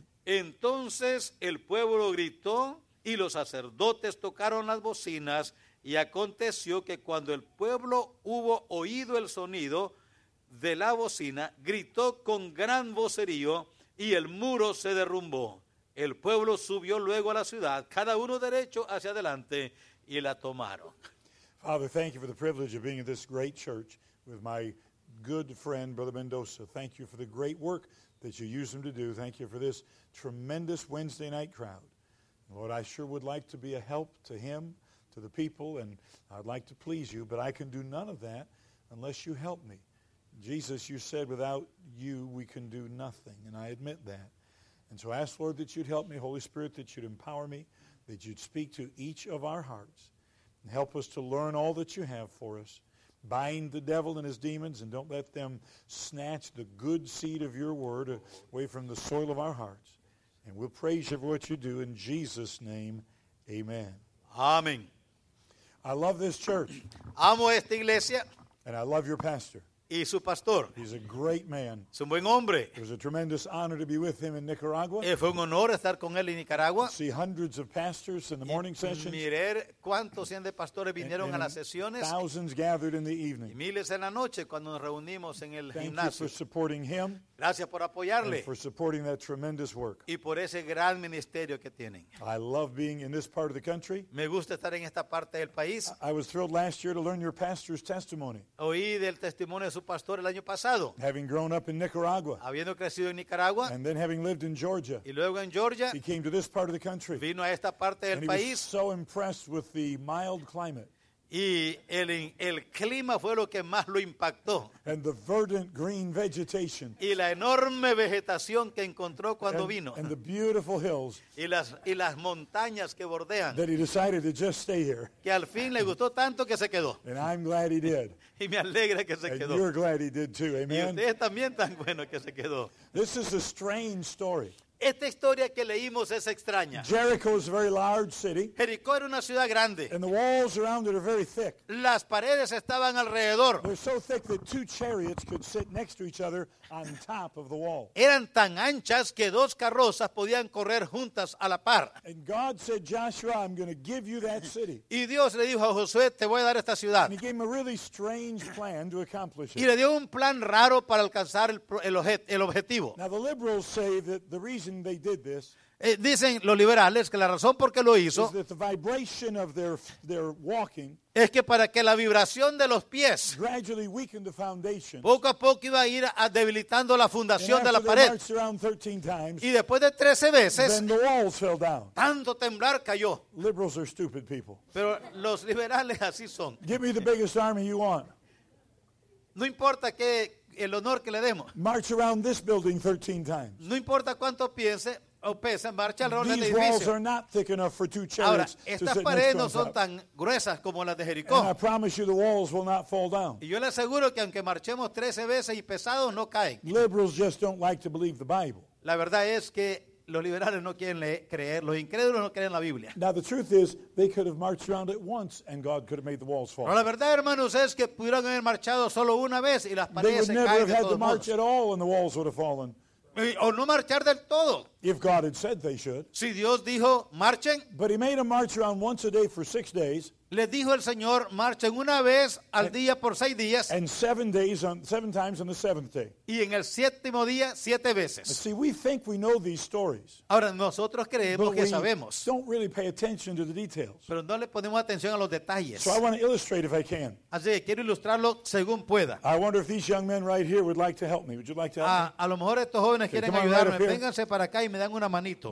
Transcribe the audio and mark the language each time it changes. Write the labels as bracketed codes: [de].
[es] Entonces el pueblo gritó y los sacerdotes tocaron las bocinas y aconteció que cuando el pueblo hubo oído el sonido de la bocina, gritó con gran vocerío y el muro se derrumbó. El pueblo subió luego a la ciudad, cada uno derecho hacia adelante y la tomaron. [en] Father, thank you for the privilege of being in this great church with my good friend, Brother Mendoza. Thank you for the great work that you use him to do. Thank you for this tremendous Wednesday night crowd. Lord, I sure would like to be a help to him, to the people, and I'd like to please you, but I can do none of that unless you help me. Jesus, you said without you we can do nothing, and I admit that. And so I ask, Lord, that you'd help me, Holy Spirit, that you'd empower me, that you'd speak to each of our hearts. And help us to learn all that you have for us. Bind the devil and his demons, and don't let them snatch the good seed of your word away from the soil of our hearts. And we'll praise you for what you do. In Jesus' name, amen. Amen. I love this church. [es] Amo esta iglesia. [en] And I love your pastor. [es] Y su pastor. [en] He's a great man. [es] Es un buen hombre. [en] It was a tremendous honor to be with him in Nicaragua. [es] Fue un honor estar con él en Nicaragua. [en] See hundreds of pastors in the morning sessions. [es] Mirar cuántos cientos de pastores vinieron a las sesiones. [en] Thousands gathered in the evening. [es] Y miles en la noche cuando nos reunimos en el gimnasio. [en] Thank you for supporting him. [es] Gracias por apoyarle. [en] And for supporting that tremendous work. [es] Y por ese gran ministerio que tienen. [en] I love being in this part of the country. [es] Me gusta estar en esta parte del país. [en] I was thrilled last year to learn your pastor's testimony. [es] Oí del testimonio de su pastor el año pasado. [en] Having grown up in Nicaragua. [es] Habiendo crecido en Nicaragua. [en] And then having lived in Georgia. [es] Y luego en Georgia. [en] He came to this part of the country. [es] Vino a esta parte del país. [en] And he was so impressed with the mild climate. [es] Y el clima fue lo que más lo impactó. [en] And the verdant green vegetation. [es] Y la enorme vegetación que encontró cuando vino. [en] And the beautiful hills. [es] Y las montañas que bordean. [en] That he decided to just stay here. [es] Que al fin le gustó tanto que se quedó. [en] And I'm glad he did. [es] Y me alegra que se [en] and [es] quedó. [en] And you're glad he did too, amen. [es] Y ustedes también tan bueno que se quedó. [en] This is a strange story. [es] Esta historia que leímos es extraña. [en] Jericho is a very large city. [es] Jericó era una ciudad grande. [en] And the walls around it are very thick. [es] Las paredes estaban alrededor. [en] They're so thick that two chariots could sit next to each other on top of the wall. [es] Eran tan anchas que dos carrozas podían correr juntas a la par. [en] And God said, Joshua, I'm going to give you that city. [es] Y Dios le dijo a Josué, te voy a dar esta ciudad. [en] And he gave him a really strange plan to accomplish it. [es] Y le dio un plan raro para alcanzar el objetivo. [en] Now the liberals say that the reason they did this. [es] Dicen los liberales que la razón por qué lo hizo [en] is that the vibration of their walking [es] es que para que la vibración de los pies [en] gradually weakened the foundation. [es] Poco a poco iba a ir debilitando la fundación de la pared. [en] After they marched around 13 times, [es] y después de 13 veces [en] then the walls fell down. [es] Tanto temblar cayó. [en] Liberals are stupid people. [es] Pero los liberales así son. [en] Give me the biggest army you want. [es] No importa qué el honor que le demos. [en] March around this building 13 times. [es] No importa cuánto piense o pese, marcha alrededor del edificio. [en] These walls are not thick enough for two chariots. [es] Ahora, estas paredes no son tan gruesas como las de Jericó. [en] And I promise you the walls will not fall down. [es] Y yo le aseguro que aunque marchemos 13 veces y pesados no caen. [en] Liberals just don't like to believe the Bible. [es] La verdad es que los liberales no quieren creer, los incrédulos no creen la Biblia. [en] Now the truth is, they could have marched around it once and God could have made the walls fall. [es] Pero la verdad, hermanos, es que pudieron haber marchado solo una vez y las paredes [en] they would [es] se [en] never [es] caen [en] have had to march at all and the walls would have fallen. [es] O no marchar del todo. [en] If God had said they should. [es] Si Dios dijo, marchen. [en] But he made them march around once a day for 6 days. [es] Les dijo el Señor, marchen una vez al día por 6 días. [en] And 7 days, seven times on the seventh day. [es] Y en el séptimo día, 7 veces. [en] See, we think we know these stories. [es] Ahora, nosotros creemos que sabemos. [en] But we don't really pay attention to the details. [es] Pero no le ponemos atención a los detalles. [en] So I want to illustrate if I can. [es] Así que quiero ilustrarlo según pueda. [en] I wonder if these young men right here would like to help me. Would you like to help me? [es] A lo mejor estos jóvenes quieren ayudarme. Right, vénganse para acá y me dan una manito.